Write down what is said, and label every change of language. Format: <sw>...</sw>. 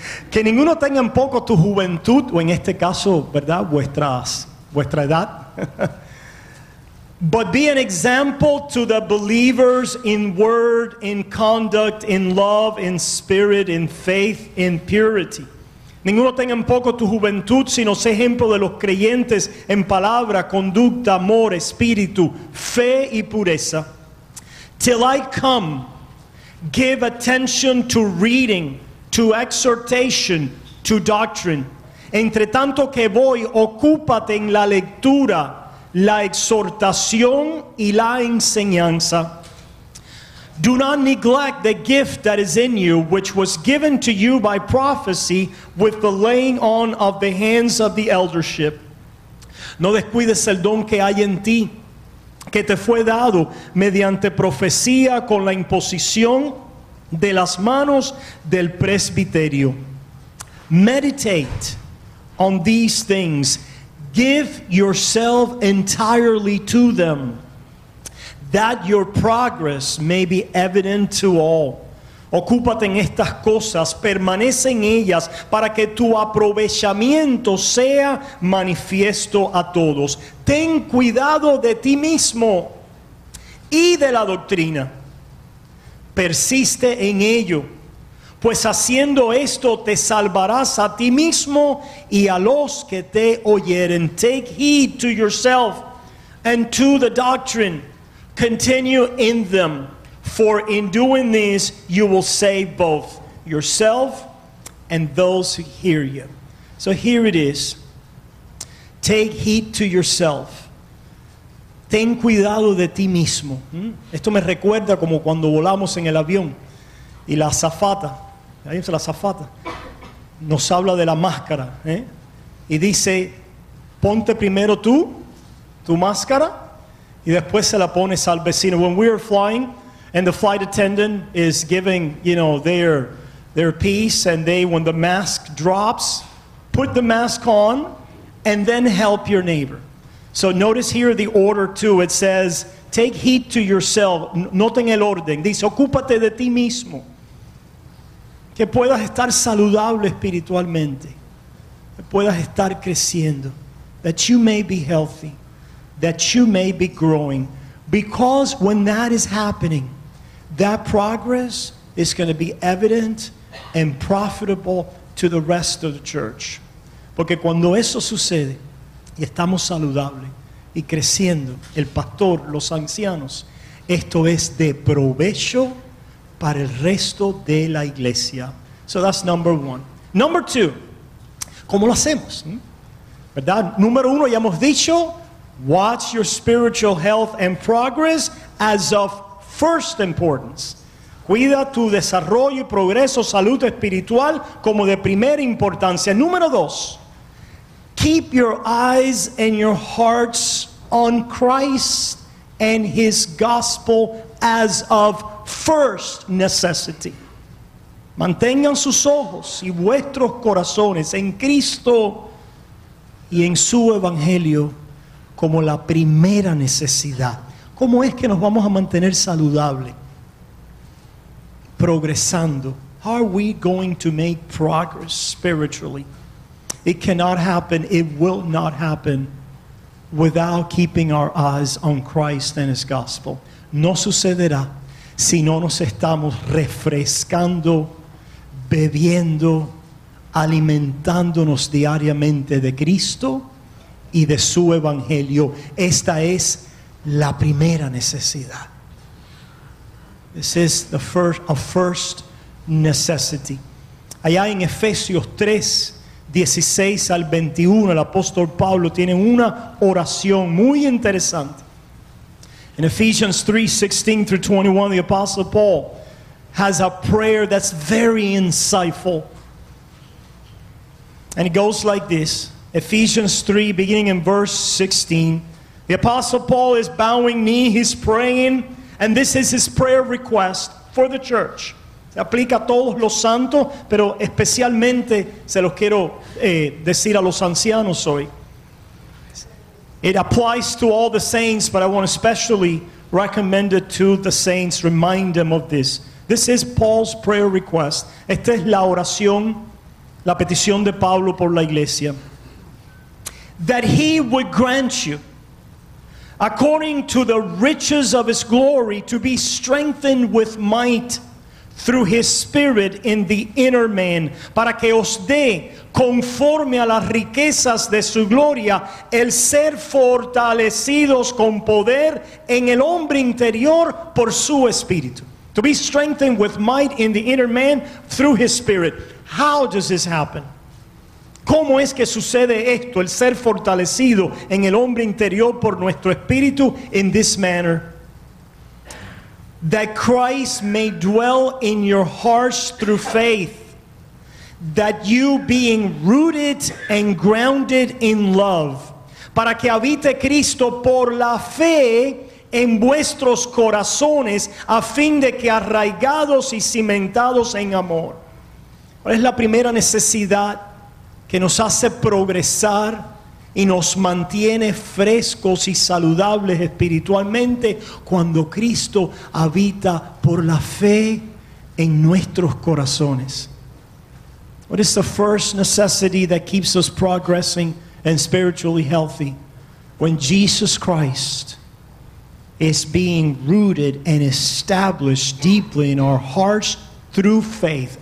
<es>Que ninguno tenga un poco tu juventud, o en este caso, ¿verdad? Vuestra edad.</es> <en>But be an example to the believers in word, in conduct, in love, in spirit, in faith, in purity.</en> <es>Ninguno tenga un poco tu juventud, sino sé ejemplo de los creyentes en palabra, conducta, amor, espíritu, fe y pureza.</es> <en>Till I come, give attention to reading, to exhortation, to doctrine.</en> <es>Entre tanto que voy, ocúpate en la lectura, la exhortación y la enseñanza.</es> <en>Do not neglect the gift that is in you, which was given to you by prophecy with the laying on of the hands of the eldership.</en> <es>No descuides el don que hay en ti, que te fue dado mediante profecía con la imposición de las manos del presbiterio.</es> <en>Meditate on these things. Give yourself entirely to them, that your progress may be evident to all.</en> <es>Ocúpate en estas cosas, permanece en ellas, para que tu aprovechamiento sea manifiesto a todos. Ten cuidado de ti mismo y de la doctrina. Persiste en ello, pues haciendo esto te salvarás a ti mismo y a los que te oyeren.</es> <en>Take heed to yourself and to the doctrine. Continue in them, for in doing this you will save both yourself and those who hear you. So here it is. Take heed to yourself.</en> <es>Ten cuidado de ti mismo. Esto me recuerda como cuando volamos en el avión y la azafata, ahí está la azafata, nos habla de la máscara, ¿eh? Y dice, ponte primero tú, tu máscara, y después se la pones al vecino.</es> <en>When we are flying and the flight attendant is giving, you know, their piece, and they, when the mask drops, put the mask on and then help your neighbor. So notice here the order too. It says, take heed to yourself.</en> <es>Noten el orden. Dice, ocúpate de ti mismo. Que puedas estar saludable espiritualmente. Que puedas estar creciendo.</es> <en>That you may be healthy. That you may be growing. Because when that is happening, that progress is going to be evident and profitable to the rest of the church.</en> <es>Porque cuando eso sucede, y estamos saludables y creciendo, el pastor, los ancianos, esto es de provecho para el resto de la iglesia.</es> <en>So that's number one. Number two,</en> <es>¿cómo lo hacemos? ¿Verdad? Número uno, ya hemos dicho,</es> <en>watch your spiritual health and progress as of first importance.</en> <es>Cuida tu desarrollo y progreso, salud espiritual, como de primera importancia. Número dos,</es> <en>keep your eyes and your hearts on Christ and His gospel as of first necessity.</en> <es>Mantengan sus ojos y vuestros corazones en Cristo y en su evangelio como la primera necesidad. ¿Cómo es que nos vamos a mantener saludables? Progresando.</es> <en>How are we going to make progress spiritually? It cannot happen, it will not happen, without keeping our eyes on Christ and His gospel.</en> <es>No sucederá si no nos estamos refrescando, bebiendo, alimentándonos diariamente de Cristo y de su evangelio. Esta es la primera necesidad.</es> <en>This is the first necessity.</en> <es>Allá en Efesios 3, 16 al 21, el apóstol Pablo tiene una oración muy interesante.</es> <en>In Ephesians 3, 16 through 21, the apostle Paul has a prayer that's very insightful. And it goes like this. Ephesians 3, beginning in verse 16. The Apostle Paul is bowing knee, he's praying, and this is his prayer request for the church.</en> <es>Se aplica a todos los santos, pero especialmente se los quiero decir a los ancianos hoy.</es> <en>It applies to all the saints, but I want to especially recommend it to the saints, remind them of this. This is Paul's prayer request.</en> <es>Esta es la oración La petición de Pablo por la iglesia.</es> <en>That he would grant you, according to the riches of his glory, to be strengthened with might through his spirit in the inner man.</en> <es>Para que os dé, conforme a las riquezas de su gloria, el ser fortalecidos con poder en el hombre interior por su espíritu.</es> <en>To be strengthened with might in the inner man through his spirit. How does this happen?</en> <es>¿Cómo es que sucede esto, el ser fortalecido en el hombre interior por nuestro espíritu,</es> <en>in this manner? That Christ may dwell in your hearts through faith, that you being rooted and grounded in love.</en> <es>Para que habite Cristo por la fe en vuestros corazones, a fin de que arraigados y cimentados en amor. ¿Cuál es la primera necesidad que nos hace progresar y nos mantiene frescos y saludables espiritualmente? Cuando Cristo habita por la fe en nuestros corazones.</es> <en>What is the first necessity that keeps us progressing and spiritually healthy? When Jesus Christ is being rooted and established deeply in our hearts through faith.</en>